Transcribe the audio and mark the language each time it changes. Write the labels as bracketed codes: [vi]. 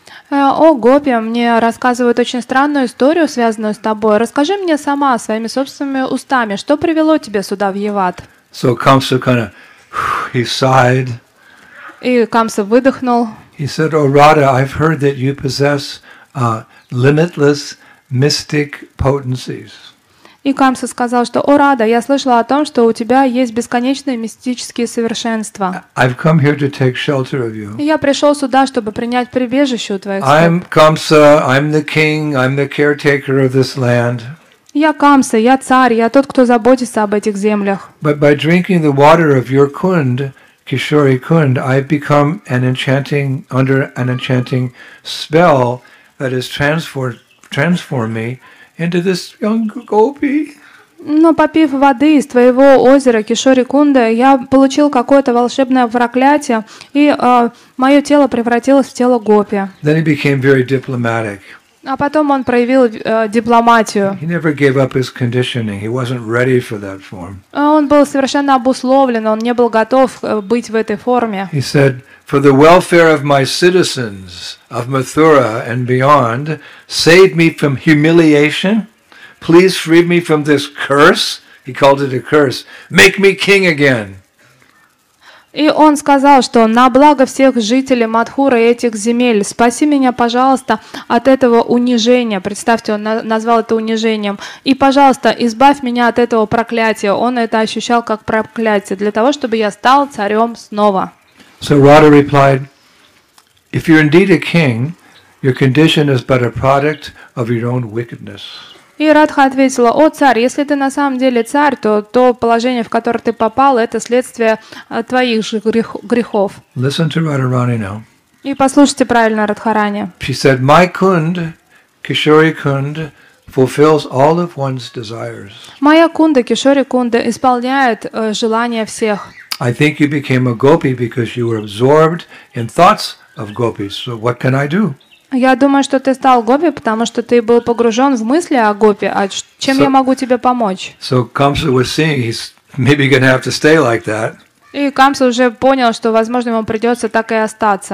[ru] О, Гопи, мне рассказывают очень странную историю, связанную с тобой. Расскажи мне сама, своими собственными устами, что привело тебя сюда, в Яват? [en] So Kamsa kind of, he sighed. [ru] И Камса выдохнул. [en] He said, oh, Radha, I've heard that you possess limitless mystic potencies. [ru] И Камса сказал, что, о, Радха, я слышала о том, что у тебя есть бесконечные мистические совершенства. [en] I've come here to take shelter of you. [ru] Я пришел сюда, чтобы принять прибежище у твоих стоп. [en] I'm Kamsa, I'm the king, I'm the caretaker of this land. [ru] Я Камса, я царь, я тот, кто заботится об этих землях. [en] But by drinking the water of your kund, Kishori Kund, I've become an enchanting, under an enchanting spell that has transformed me into this young gopi. [ru] Но попив воды из твоего озера Кишори Кунда, я получил какое-то волшебное проклятие, и мое тело превратилось в тело гопи. [en] Then he became very diplomatic. [ru] А потом он проявил дипломатию. [en] He never gave up his conditioning. He wasn't ready for that form. [ru] Он был совершенно обусловлен, он не был готов быть в этой форме. [en] He said, "For the welfare of my citizens of Mathura and beyond, save me from humiliation. Please free me from this curse." He called it a curse. Make me king again. [ru] И он сказал, что на благо всех жителей Мадхуры и этих земель, спаси меня, пожалуйста, от этого унижения. Представьте, он назвал это унижением. И, пожалуйста, избавь меня от этого проклятия. Он это ощущал как проклятие для того, чтобы я стал царем снова. [en] So Radha replied, "If you're indeed a king, your condition is but a product of your own wickedness." [ru] И Радха ответила, «О, царь, если ты на самом деле царь, то то положение, в которое ты попал, это следствие твоих же грехов». [en] Listen to Radharani now. [ru] И послушайте правильно Радхарани. [en] She said, "My kund, Kishori kund, fulfills all of one's desires." [ru] Моя кунда, Кишори кунда, исполняет желания всех. [en] I think you became a gopi because you were absorbed in thoughts of gopis. So what can I do? [ru] Я думаю, что ты стал гопи, потому что ты был погружен в мысли о гопи. А чем я могу тебе помочь? [en] So Камса was seeing he's maybe gonna have to stay like that. [ru] И Камса уже понял, что, возможно, ему придется так и остаться.